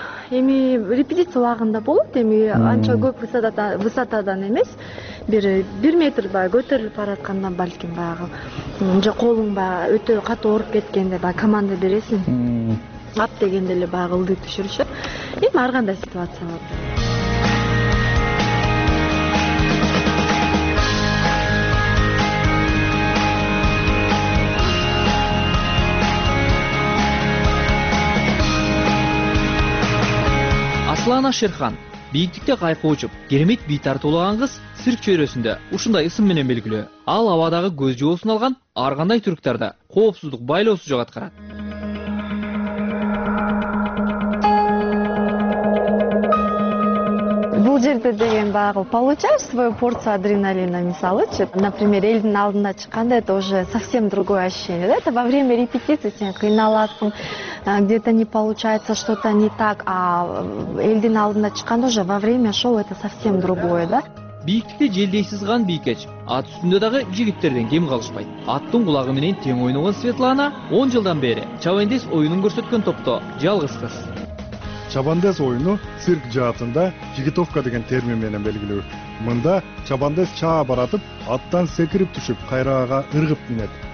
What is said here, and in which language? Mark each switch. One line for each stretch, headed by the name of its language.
Kyrgyz: Эми репетиция убагында болот, эми анча көп высотадан эмес. Бир метр баягы көтөрүлүп бараткандан балким баягы же колуң баягы өтө катуу ооруп кеткенде баягы команда бересиң ап дегенде эле баягы ылдый түшүрүшөт. Эми ар кандай ситуация болот. Аслана Шерхан бийиктикте кайкы учуп кермит бий тартуулаган кыз цирк чөйрөсүндө ушундай ысым менен белгилүү. Ал абадагы көз жоосун алган ар кандай түрктарда коопсуздук байлоосу жок аткарат. Бул жерде деген баягы
Russian: получаешь свою порцию адреналина,
Kyrgyz: мисалычы,
Russian: например,
Kyrgyz: элдин алдында чыкканда
Russian: это уже совсем другое ощущение, да? Это во время репетиции
Kyrgyz: сен кыйналасың,
Russian: где-то не получается, что-то не так, а элдин алдында чыкканда уже во время шоу это совсем другое, да?
Kyrgyz: Бийиктикте желдей сызган бийкеч ат үстүндө дагы жигиттерден кем калышпайт. Аттын кулагы менен тең ойногон Светлана 10 жылдан бери Чавандес оюнун көрсөткөн топто жалгыз кыз. Чабандес оюну цирк жаатында жигитовка деген термин менен белгилүү. Мында чабандес чаа баратып, аттан секирип түшүп, кайрага ыргып минет.